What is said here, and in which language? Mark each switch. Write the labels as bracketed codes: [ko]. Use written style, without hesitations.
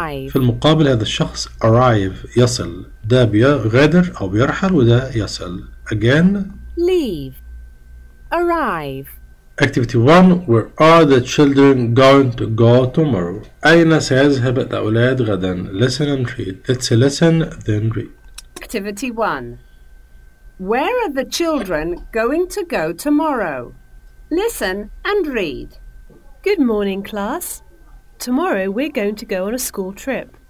[ar] في المقابل هذا الشخص arrive يصل. ده بيغادر أو بيرحل وده يصل. [en] Again. Leave. Arrive. Activity 1. Where are the children going to go tomorrow? [ar] أين سيذهب الأولاد غدا؟ [en] Listen and read. Let's listen then read. Activity 1. Where are the children going to go tomorrow? Listen and read. Good morning, class. Tomorrow we're going to go on a school trip.